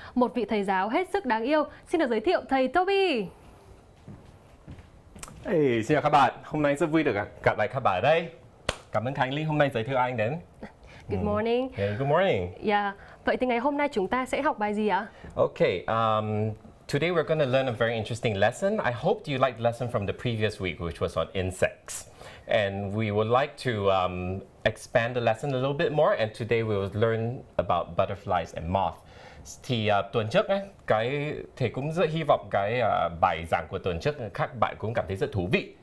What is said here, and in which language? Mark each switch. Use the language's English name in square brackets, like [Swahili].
[Vietnamese] Một vị thầy giáo hết sức đáng yêu, xin được giới thiệu thầy Toby. Hey, xin chào các bạn, hôm nay rất vui được gặp lại các bạn ở đây. Cảm ơn Khánh Linh hôm nay giới thiệu anh đến. [English] Good morning. Hey, good morning. Yeah. [Vietnamese] Vậy thì ngày hôm nay chúng ta sẽ học bài gì ạ? [English] Okay, today we're going to learn a very interesting lesson. I hope you liked the lesson from the previous week, which was on insects. And we would like to expand the lesson a little bit more. And today we will learn about butterflies and moths. [Vietnamese] Thì tuần trước ấy, cái thầy cũng rất hy vọng cái bài giảng của tuần trước các bạn cũng cảm thấy rất thú vị.